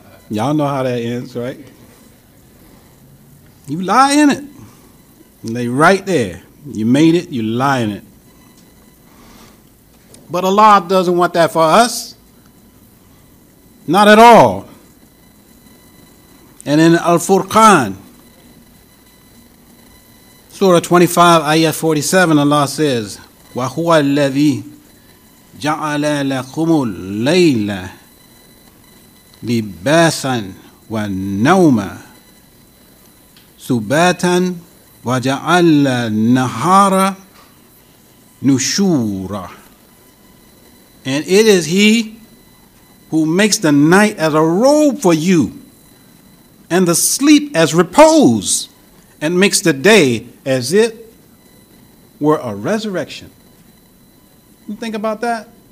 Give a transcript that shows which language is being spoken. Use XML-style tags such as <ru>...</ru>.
<en>Y'all know how that ends, right? You lie in it. And they right there. You made it, you lie in it. But Allah doesn't want that for us. Not at all. And in Al-Furqan, Surah 25, Ayah 47, Allah says,</en> <ar>وَهُوَ الَّذِي جَعَلَ لَكُمُ اللَّيْلَ لِبَاسًا وَالنَّوْمَ سُبَاتًا وَجَعَلَ النَّهَارَ نُشُورًا.</ar> <en>And it is He who makes the night as a robe for you and the sleep as repose and makes the day as it were a resurrection. Think about that.</en>